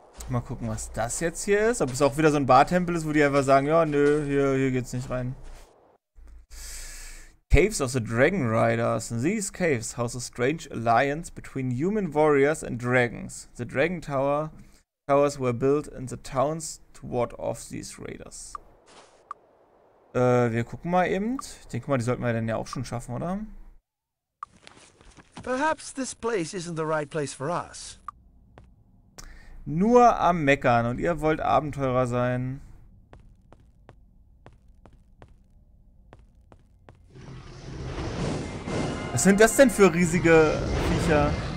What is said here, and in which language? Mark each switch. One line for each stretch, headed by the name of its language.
German: Mal gucken, was das jetzt hier ist. Ob es auch wieder so ein Bartempel ist, wo die einfach sagen, ja, nö, hier geht's nicht rein.
English: Caves of the Dragon Riders. These caves house a strange alliance between human warriors and dragons. The Dragon Towers were built in the towns to ward off these raiders.
German: Wir gucken mal eben. Ich denke mal, die sollten wir dann ja auch schon schaffen, oder?
English: Perhaps this place isn't the right place for us.
German: Nur am Meckern und ihr wollt Abenteurer sein. Was sind das denn für riesige Viecher?